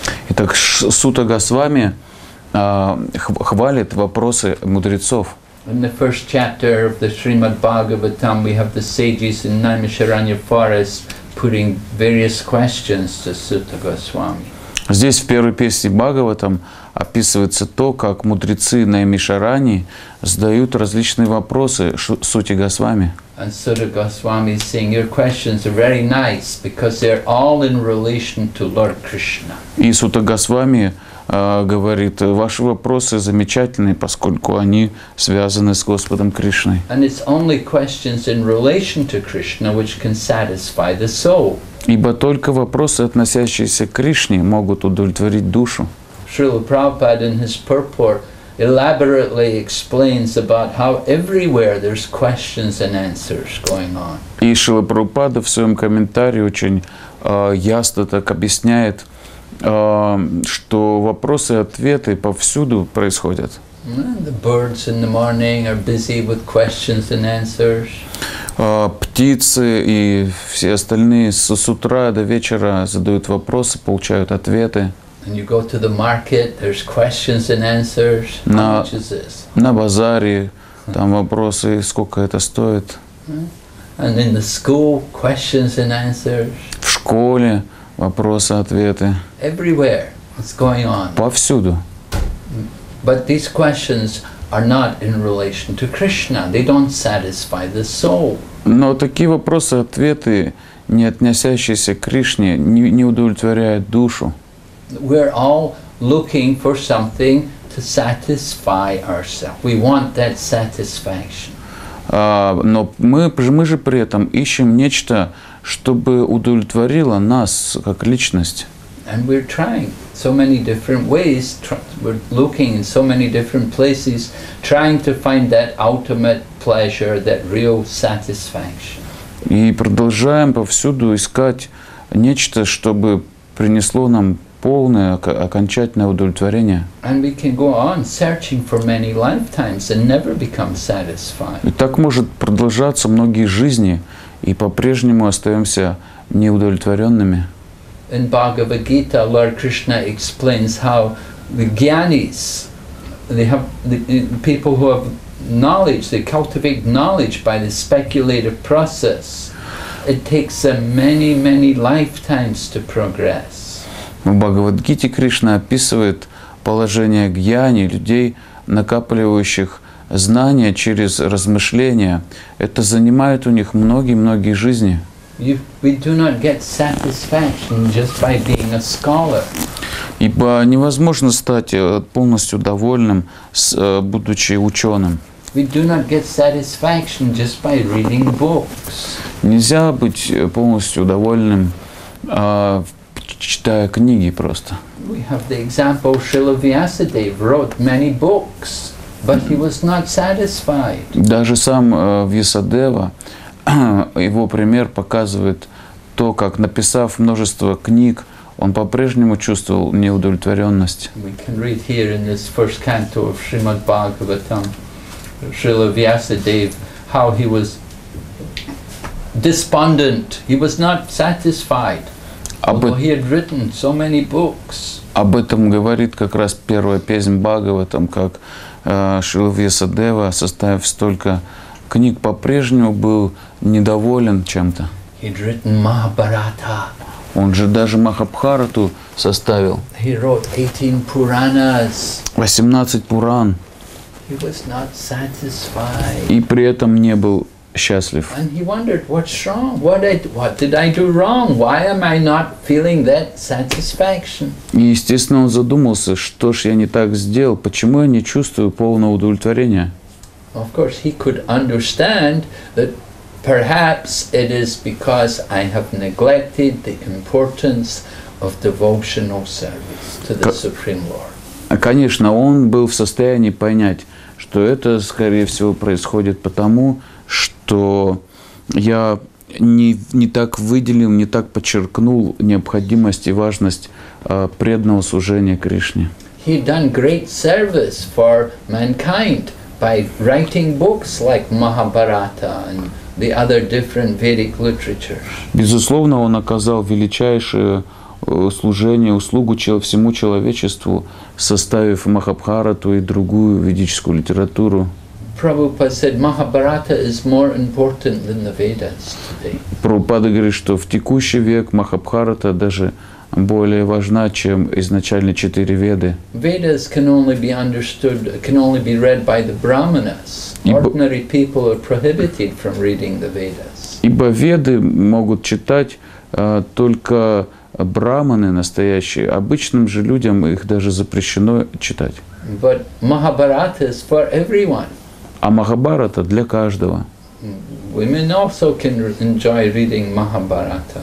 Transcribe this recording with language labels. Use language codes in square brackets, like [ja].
[ru] Итак, Сутта Госвами хвалит вопросы мудрецов. [en] In the first chapter of the Srimad Bhagavatam, we have the sages in Naimisharanya forest putting various questions to Sutta Goswami. [ru] Здесь в первой песне Бхагаватам описывается то, как мудрецы Наймишарани задают различные вопросы Сути Госвами. [en] And Sutta Goswami is saying, your questions are very nice because they're all in relation to Lord Krishna. [ru] И Сута Госвами говорит, ваши вопросы замечательные, поскольку они связаны с Господом Кришной. [en] And it's only questions in relation to Krishna which can satisfy the soul. [ru] Ибо только вопросы, относящиеся к Кришне, могут удовлетворить душу. [en] Srila Prabhupada in his purport elaborately explains about how everywhere there's questions and answers going on. [ru] И Шрила Прабхупада в своем комментарии очень ясно так объясняет, что вопросы и ответы повсюду происходят. [en] The birds in the morning are busy with questions and answers. [ru] Птицы и все остальные с утра до вечера задают вопросы, получают ответы. [en] And you go to the market, there's questions and answers. How much is this? [ru] На базаре там вопросы, сколько это стоит. [en] And in the school, questions and answers. [ru] В школе вопросы, ответы. [en] Everywhere, what's going on? [ru] Повсюду. [en] But these questions are not in relation to Krishna. They don't satisfy the soul. [ru] Но такие вопросы, ответы, не относящиеся к Кришне, не удовлетворяют душу. [en] We're all looking for something to satisfy ourselves. We want that satisfaction. [ru] Но мы же при этом ищем нечто, чтобы удовлетворило нас как личность. [en] And we're trying so many different ways. We're looking in so many different places, trying to find that ultimate pleasure, that real satisfaction. [ru] И продолжаем повсюду искать нечто, чтобы принесло нам полное, окончательное удовлетворение. [en] And we can go on searching for many lifetimes and never become satisfied. [ru] И так может продолжаться многие жизни, и по-прежнему остаемся неудовлетворенными. [en] In Bhagavad Gita, Lord Krishna explains how the gyanis, they have the people who have knowledge, they cultivate knowledge by the speculative process. It takes them many, many lifetimes to progress. [ru] В Бхагавад-гите Кришна описывает положение гьяни, людей, накапливающих знания через размышления. Это занимает у них многие-многие жизни. [en] We do not get satisfaction just by being a scholar. [ru] Ибо невозможно стать полностью довольным, будучи ученым. [en] We do not get satisfaction just by reading books. [ru] Нельзя быть полностью довольным, читая книги просто. [en] We have the example Srila Vyasadeva wrote many books, but he was not satisfied. [ru] Даже сам Вьясадева, его пример показывает то, как написав множество книг, он по-прежнему чувствовал неудовлетворенность. [en] We can read here in this first canto of Srimad Bhagavatam, Srila Vyasadeva, how he was despondent, he was not satisfied. Although he had written so many books. [ru] Об этом говорит как раз первая песня Бхагаватам, как Шрила Вьясадева, составив столько книг, по-прежнему был недоволен чем-то. [en] He'd written Mahabharata. [ru] Он же даже Махабхарату составил. [en] He wrote 18 Puranas. [ru] 18 Пуран. [en] He was not satisfied. [ru] И при этом не был счастлив. [en] And he wondered, what's wrong? What did I do wrong? Why am I not feeling that satisfaction? [ru] И естественно, он задумался, что ж я не так сделал? Почему я не чувствую полного удовлетворения? [en] Of course, he could understand that perhaps it is because I have neglected the importance of devotional service to the Supreme Lord. [ru] Конечно, он был в состоянии понять, что это, скорее всего, происходит потому, что я не так выделил, не так подчеркнул необходимость и важность преданного служения Кришне. [en] He done great service for mankind by writing books like Mahabharata and the other different Vedic literature. [ru] Безусловно, он оказал величайшее служение, услугу всему человечеству, составив Махабхарату и другую ведическую литературу. [en] Prabhupada said Mahabharata is more important than the Vedas today. [ru] Prabhupada говорит, что в текущий век Махабхарата даже более важна, чем изначально четыре веды. [en] Vedas can only be understood, can only be read by the brahmanas. Ordinary people are prohibited from reading the Vedas. [ru] Ибо веды могут читать только брахманы настоящие. Обычным же людям их даже запрещено читать. [en] But Mahabharata is for everyone. [ru] А Махабхарата для каждого. [en] Women also can enjoy reading Mahabharata.